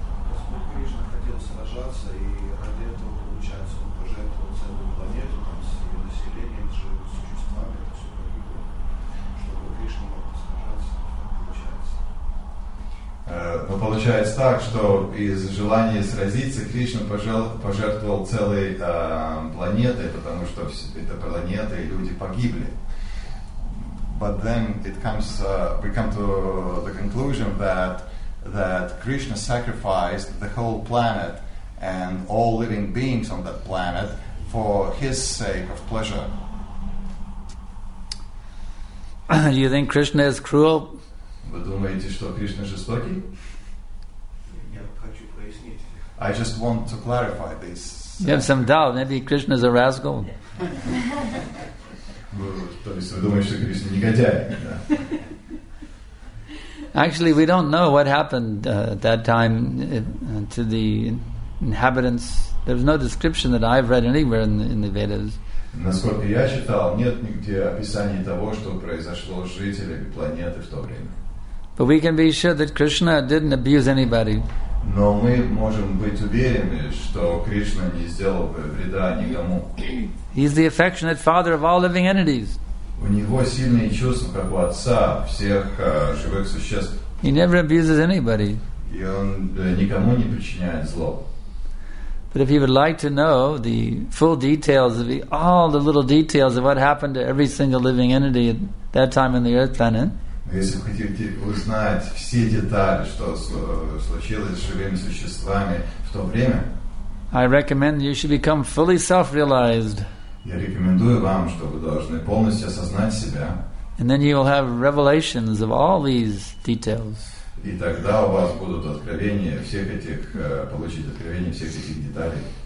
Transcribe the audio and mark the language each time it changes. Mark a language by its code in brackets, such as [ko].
[ru] Господь Кришна хотел сражаться, и ради этого, получается, он пожертвовал целую планету, там, с ее населением, с живыми существами, это все погибло, чтобы Кришна мог сражаться, получается. Но получается так, что из желания сразиться Кришна пожертвовал целой планетой, потому что это планета и люди погибли. [en] But then it comes, we come to the conclusion that Krishna sacrificed the whole planet and all living beings on that planet for his sake of pleasure. You think Krishna is cruel? [ru] Вы думаете, что Кришна жестокий? Я хочу пояснить. [en] I just want to clarify this. You have some doubt. Maybe Krishna is a rascal. [ru] То есть вы думаете, что Кришна негодяй? [en] Actually, we don't know what happened at that time to the inhabitants. There's no description that I've read anywhere in the Vedas. [ru] Насколько я читал, нет нигде описания того, что произошло с жителями планеты в то время. [en] But we can be sure that Krishna didn't abuse anybody. [ru] Но мы можем быть уверены, что Кришна не сделал бы вреда никому. [en] He's the affectionate father of all living entities. [ru] У него сильные чувства, как у отца всех живых существ. [en] He never abuses anybody. [ru] И он никому не причиняет зло. [en] But if you would like to know the full details of all the little details of what happened to every single living entity at that time in the Earth planet. [ru] Если вы хотите узнать все детали, что случилось с живыми существами в то время, [en] I recommend you should become fully self-realized. [ru] Я рекомендую вам, что вы должны полностью осознать себя. [en] And then you will have revelations of all these details. [ru] И тогда у вас будут откровения всех этих, получить откровения всех этих деталей.